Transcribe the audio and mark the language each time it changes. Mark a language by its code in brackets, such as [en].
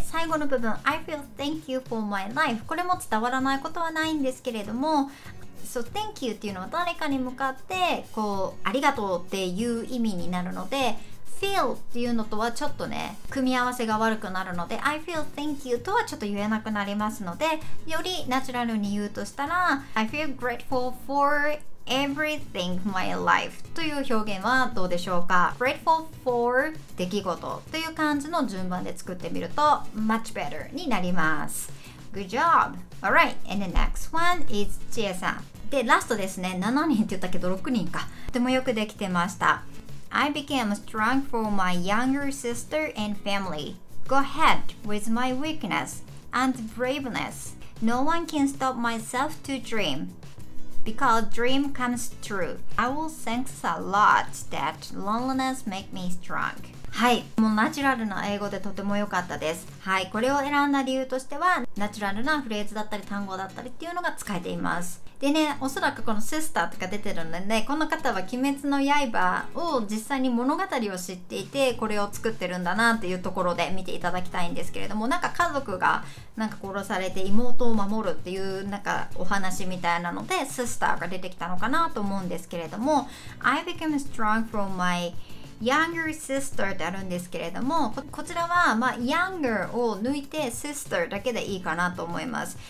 [ja] 最後の部分 [en] I feel thank you for my life、 [ja] これも伝わらないことはないんですけれども、 [en] So, thank you [ja] っていうのは誰かに向かってこうありがとうっていう意味になるので、feel っていうのとはちょっとね組み合わせが悪くなるので [en] I feel thank you [ja] とはちょっと言えなくなりますので、よりナチュラルに言うとしたら [en] I feel grateful for everything my life [ja] という表現はどうでしょうか。 grateful for 出来事という感じの順番で作ってみると [en] much better [ja] になります。 [en] Good job! Alright, and the next one is Chie さん。 [ja] でラストですね、7人って言ったけど6人か、とてもよくできてました。 [en] I became strong for my younger sister and family. Go ahead with my weakness and braveness. No one can stop myself to dream. Because dream comes true. I will thank a lot that loneliness make me strong. [ja] はい、もうナチュラルな英語でとても良かったです。はい、これを選んだ理由としては、ナチュラルなフレーズだったり単語だったりっていうのが使えています。でね、おそらくこのシスターとか出てるんでね、この方は鬼滅の刃を実際に物語を知っていてこれを作ってるんだなっていうところで見ていただきたいんですけれども、なんか家族がなんか殺されて妹を守るっていうなんかお話みたいなのでシスターが出てきたのかなと思うんですけれども、 [en] I became strong from myYounger sister [ja] ってあるんですけれども、 こちらはまあ younger を抜いて sister だけでいいかなと思います。